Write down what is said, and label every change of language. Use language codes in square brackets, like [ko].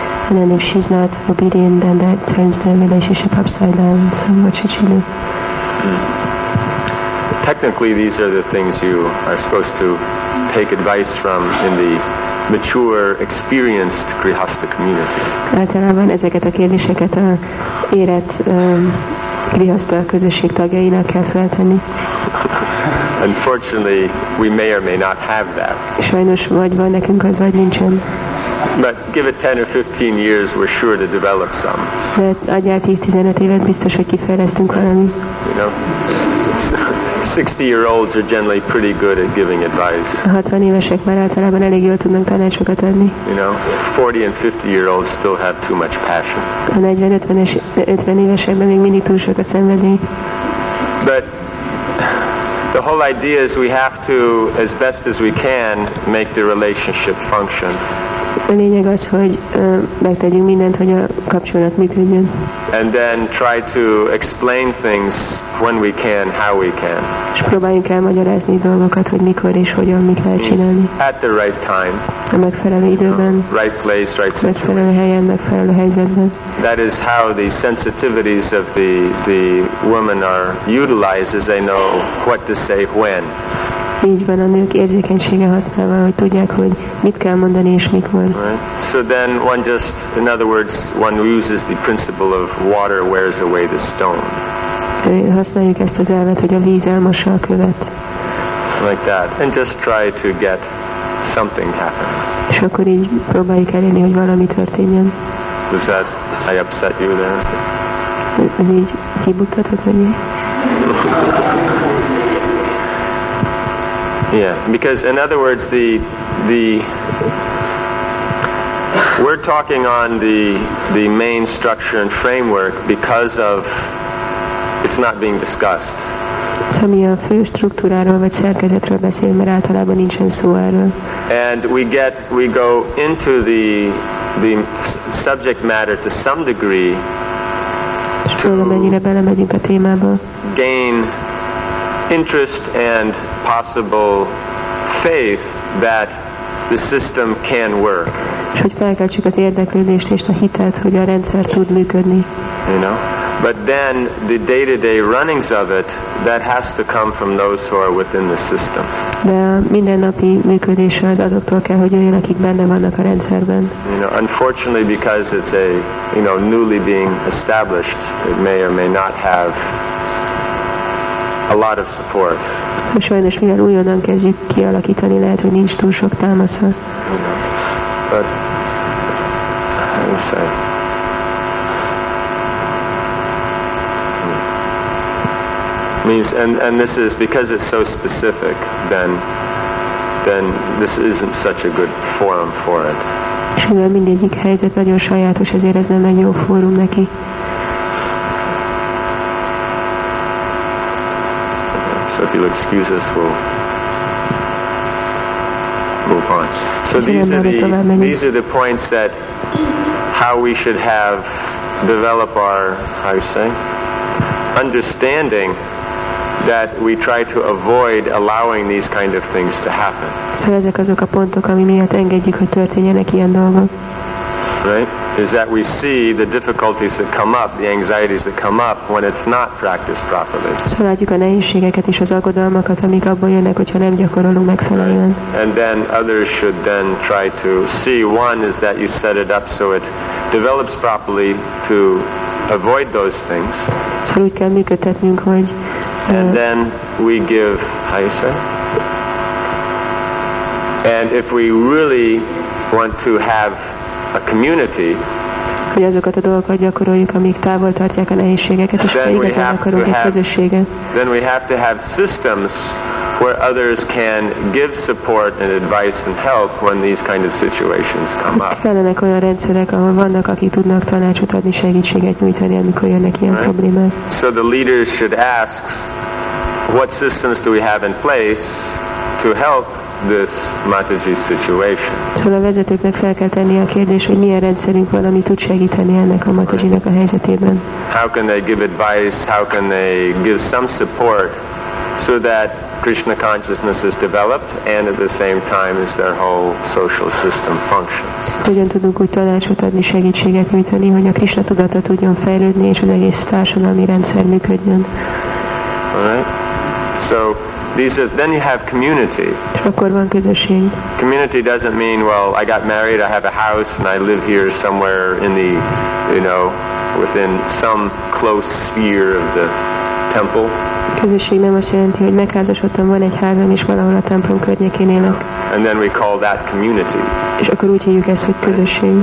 [en] And then if she's not obedient, then that turns the relationship upside down. So what should she do? Technically, these are the things you are supposed to take advice from in the mature, experienced grihasta community. [hu] Általában ezeket a kérdéseket a érett grihasta közösség tagjainak kell feltenni. [en] Unfortunately, we may or may not have that. [hu] Sajnos vagy van nekünk az, vagy nincsen. [en] But give it 10 or 15 years, we're sure to develop some. [hu] De adjál 10-15 évet, biztos, hogy kifejlesztünk valami. [en] You know, 60-year-olds are generally pretty good at giving advice. [hu] 60 évesek már általában elég jól tudnak tanácsokat adni. [en] You know, 40 and 50-year-olds still have too much passion. [hu] A 40-50 évesekben még mindig túl sok a szenvedély. [en] But the whole idea is we have to, as best as we can, make the relationship function. [hu] A lényeg az, hogy megtegyünk mindent, hogy a kapcsolat működjön. [en] And then try to explain things when we can, how we can. [hu] És próbáljunk elmagyarázni dolgokat, hogy mikor és hogyan mit lehet csinálni. [en] At the right time. [hu] A megfelelő időben. [en] You know, right place, right situation. [hu] Megfelelő helyen, megfelelő helyzetben. [en] That is how the sensitivities of the woman are utilized, as they know what to say when. [hu] Így van, a nők érzékenysége használva, hogy tudják, hogy mit kell mondani és mikor. [en] Right. So then one just, in other words, one uses the principle of water wears away the stone. [hu] Használjuk ezt az elvet, hogy a víz elmossa a követ. [en] Like that. And just try to get something happen. [hu] És akkor így próbáljuk elérni, hogy valami történjen. [en] Was that, I upset you there? [hu] Ez így kibuktatott, vagy mi? [en] Yeah, because in other words, the we're talking on the main structure and framework because of it's not being discussed. [hu] So mi a fő struktúráról vagy szerkezetről beszélünk, mert általában nincsen szó erről. [en] And we go into the subject matter to some degree. [hu] Valamennyire belemegyünk a témába. [en] Gain interest and possible faith that the system can work. [hu] Hogy felkeltsük az érdeklődést és a hitet, hogy a rendszer tud működni. [en] You know? But then the day-to-day runnings of it, that has to come from those who are within the system. [hu] De a mindennapi működése az azoktól kell, hogy olyan, akik benne vannak a rendszerben. [en] You know, unfortunately, because it's a, you know, newly being established, it may or may not have a lot of support. [hu] So, sajnos, mivel újonnan kezdjük kialakítani, lehet, hogy nincs túl sok támasza. [en] But I will say, means, and this is because it's so specific, then this isn't such a good forum for it. [hu] És mivel mindegyik helyzet nagyon sajátos, ezért ez nem egy jó fórum neki. [en] So if you'll excuse us, we'll move on. So these are the points that how we should have develop our, how you say, understanding that we try to avoid allowing these kind of things to happen. [hu] So ezek azok a pontok, ami miatt engedjük, hogy történjenek ilyen dolgok. [en] Right? Is that we see the difficulties that come up, the anxieties that come up when it's not practiced properly. [hu] So látjuk a nehézségeket és az aggodalmakat, amik abból jönnek, hogyha nem gyakorolunk megfelelően. [en] And then others should then try to see, one is that you set it up so it develops properly to avoid those things. [hu] So úgy kell működtetnünk, hogy [en] and then we give, how you say? And if we really want to have a community, [hu] hogy azokat a dolgokat gyakoroljuk, amik távol tartják a nehézségeket, és ha igazán akarunk egy közösséget. [en] Then we have to have systems where others can give support and advice and help when these kind of situations come up. [hu] Kellenek olyan rendszerek, ahol vannak, akik tudnak tanácsot adni, segítséget nyújtani, amikor jönnek ilyen problémák. [en] So the leaders should ask, what systems do we have in place to help this Mataji situation. [hu] Szóval a vezetőknek fel kell tenni a kérdés, hogy milyen rendszerünk van, ami tud segíteni ennek a Matajinak a helyzetében. [en] How can they give advice? How can they give some support so that Krishna consciousness is developed and at the same time as their whole social system functions. [hu] Hogyan tudunk úgy tanácsot adni, segítséget nyújtani, hogy a Krishna tudata tudjon fejlődni és az egész társadalmi rendszer működjön. [en] Alright. So these are, then you have community. [hu] Akkor van közösség. [en] Community doesn't mean, well, I got married, I have a house and I live here somewhere in the, you know, within some close sphere of the temple. [hu] Közösség nem azt jelenti, hogy megházasodtam, van egy házam is valahol a templom környékén élek. [en] And then we call that community. [hu] És akkor úgy hívjuk ezt, hogy közösség.